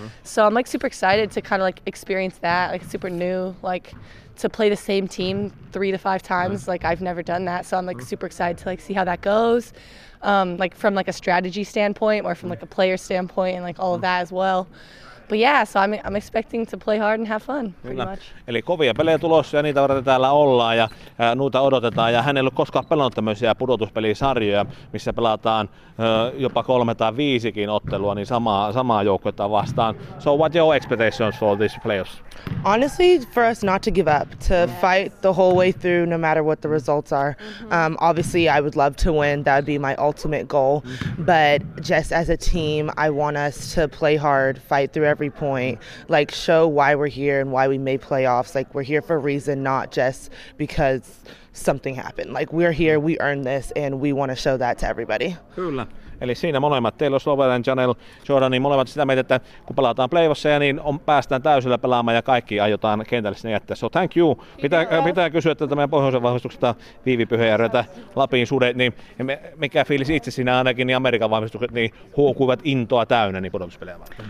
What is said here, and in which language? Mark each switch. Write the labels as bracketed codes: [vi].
[en] So I'm like super excited to kind of like experience that, like super new, like to play the same team 3 to 5 times. Like I've never done that. So I'm like super excited to like see how that goes. Like from like a strategy standpoint or from like a player standpoint and like all of that as well. But yeah, so I'm expecting to play hard and have fun, pretty much. [fi] Eli kovia pelejä tulossa ja niitä varten täällä ollaan ja noita odotetaan. Ja hän ei ollut koskaan pelannut tämmöisiä pudotuspelisarjoja, missä pelataan jopa 3 tai 5 ottelua niin samaa joukkuetta vastaan. [en] So what are your expectations for these playoffs? Honestly, for us not to give up, to fight the whole way through no matter what the results are. Obviously, I would love to win. That would be my ultimate goal. But just as a team, I want us to play hard, fight through every point, like show why we're here and why we made playoffs. Like we're here for a reason, not just because something happened. Like we're here, we earned this, and we want to show that to everybody. [fi] Kyllä. Eli siinä molemmat, teillä on Slovenian Channel, Jordan, niin molemmat sitä mieltä, että kun pelataan playoffs, niin on, päästään täysillä pelaamaan ja kaikki aiotaan kentälle sinne jättää. [en] So thank you. [fi] Pitää kysyä tätä meidän pohjoisen vahvistuksesta Viivi Pyhäjärveltä, Lapin Sudet, niin mikä fiilis itse sinä ainakin, niin Amerikan vahvistukset niin huokuivat intoa täynnä niin pudotuspelejä vaan.